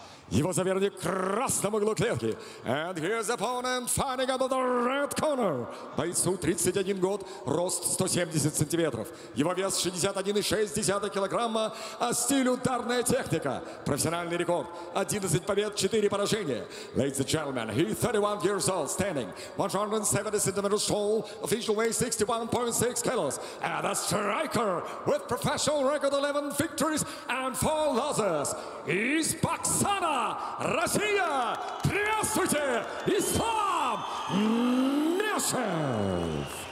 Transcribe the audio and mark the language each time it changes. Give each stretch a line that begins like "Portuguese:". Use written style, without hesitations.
Russian: Его соперник в красном углу клетки.
English: And his opponent fighting out of the red corner.
Russian: Бойцу 31 год, рост 170 сантиметров. Его вес 61,6 килограмма, а стиль ударная техника. Профессиональный рекорд. 11 побед, 4 поражения.
English: Ladies and gentlemen, he 31 years old, standing 170 centimeters tall, official weight 61.6 kilos. And a striker with professional record 11 victories and 4 losses.
Russian: Из Баксана, Россия, приветствуйте, Ислам Мешев.